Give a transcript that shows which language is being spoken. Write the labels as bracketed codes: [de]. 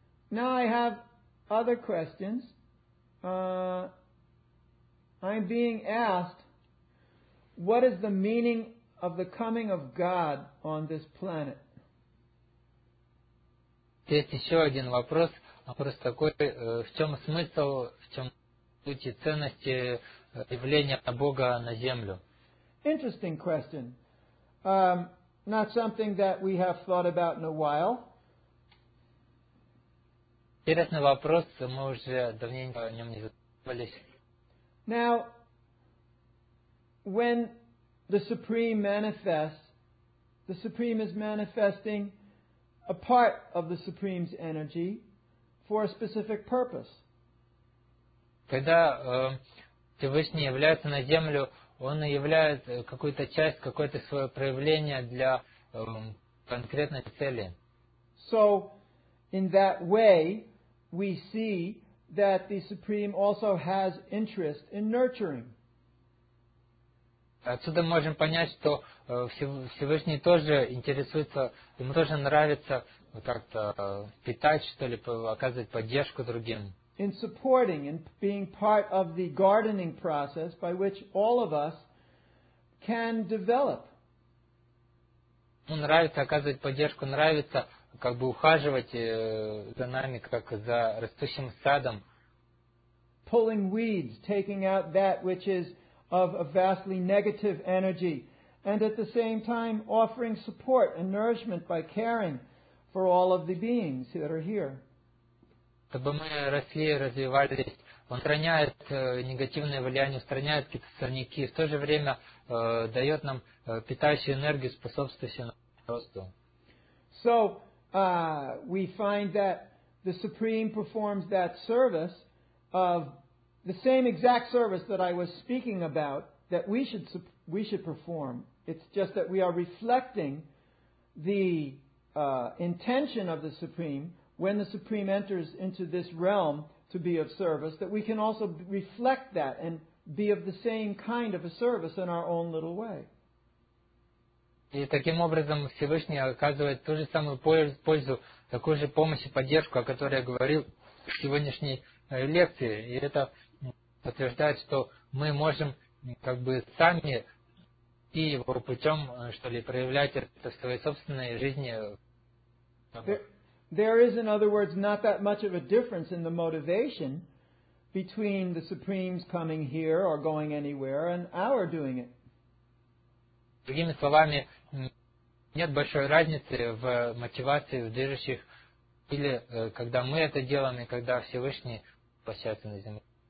[en] Now I have other questions. I'm being asked, what is the meaning of the coming of God on this planet? [ru] Есть еще один вопрос, вопрос такой, в чем смысл, в чем суть и ценности явления Бога на Землю? [en] Interesting question. Not something that we have thought about in a while. [ru] Интересный вопрос, мы уже давненько о нем не задумывались. [en] Now, when the Supreme manifests, the Supreme is manifesting a part of the Supreme's energy for a specific purpose. [ru] Когда Всевышний является на Землю, Он являет какую-то часть, какое-то свое проявление для конкретной цели. [en] So, in that way, we see that the Supreme also has interest in nurturing. [ru] Отсюда можем понять, что Всевышний тоже интересуется, ему тоже нравится как-то питать, что ли, оказывать поддержку другим. [en] In supporting and being part of the gardening process by which all of us can develop. [ru] Ну, нравится оказывать поддержку, нравится как бы ухаживать за нами, как за растущим садом. [en] Pulling weeds, taking out that which is of a vastly negative energy, and at the same time offering support and nourishment by caring for all of the beings that are here. [ru] Чтобы мы росли и развивались, он устраняет негативное влияние, устраняет какие-то сорняки, в то же время дает нам питающую энергию, способствующую нашему росту. [en] So, we find that the Supreme performs that service of the same exact service that I was speaking about that we should perform. It's just that we are reflecting the intention of the Supreme, when the Supreme enters into this realm to be of service, that we can also reflect that and be of the same kind of a service in our own little way. [ru] И таким образом Всевышний оказывает ту же самую пользу, такую же помощь и поддержку, о которой я говорил в сегодняшней лекции. И это подтверждает, что мы можем как бы сами и его путем, что ли, проявлять это в своей собственной жизни. [en] There is, in other words, not that much of a difference in the motivation between the Supreme's coming here or going anywhere and our doing it. [ru] Другими словами, нет большой разницы в мотивации, в движущих, или когда мы это делаем, и когда Всевышний воплощается на земле.